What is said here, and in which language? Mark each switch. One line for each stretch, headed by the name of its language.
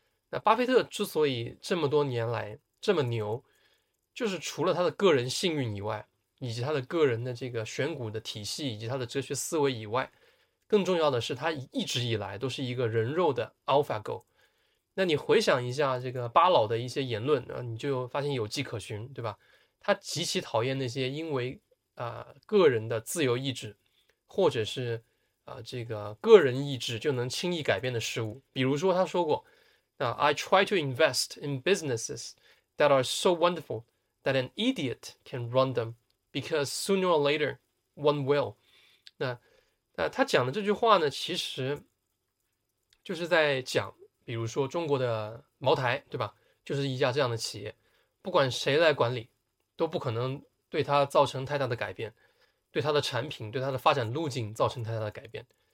Chinese: 那巴菲特之所以这么多年来这么牛，就是除了他的个人幸运以外，以及他的个人的这个选股的体系，以及他的哲学思维以外，更重要的是，他一直以来都是一个人肉的 AlphaGo。那你回想一下这个巴老的一些言论，啊，你就发现有迹可循，对吧？他极其讨厌那些因为个人的自由意志，或者是这个个人意志就能轻易改变的事物。比如说，他说过，
English: I try to invest in businesses that are so wonderful that an idiot can run them, because sooner or later, one will.
Chinese: 那他讲的这句话呢，其实就是在讲，比如说中国的茅台，对吧？就是一家这样的企业，不管谁来管理，都不可能对它造成太大的改变，对它的产品，对它的发展路径造成太大的改变。